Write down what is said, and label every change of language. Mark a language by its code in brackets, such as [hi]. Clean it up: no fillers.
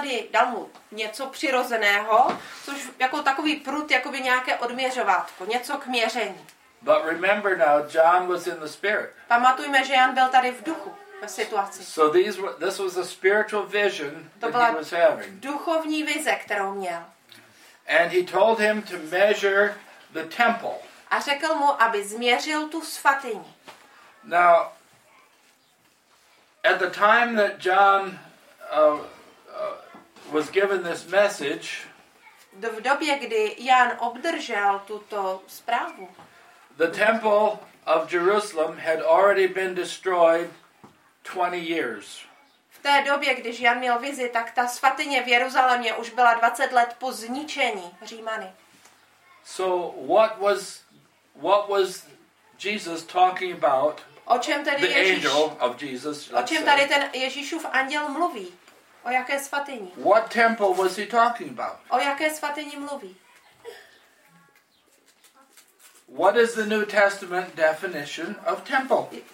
[cs] Dal mu něco přirozeného, což jako takový prut, jako by nějaké odměřovátko, něco k měření. [en] But remember now, John was in the spirit. [cs] Pamatujme, že Jan byl tady v duchu. Situaci. [en] So these were, this was a spiritual vision that he was having. [cs] Duchovní vize, kterou měl. [en] And he told him to measure the temple. [cs] A řekl mu, aby změřil tu svatyni. [en] Now, at the time that John was given this message, [cs] v době, kdy Jan obdržel tuto zprávu, [en] the temple of Jerusalem had already been destroyed 20 years. [cs] V té době, když Jan měl vizi, tak ta svatyně v Jeruzalémě už byla 20 let po zničení Římany. [en] So what was Jesus talking about? [cs] O čem tady [en] the angel of Jesus, [cs] o čem tady ten Ježíšův anděl mluví? O jaké svatyni? [en] What temple was he talking about? [cs] O jaké svatyni mluví? [en] What is the New Testament definition of temple?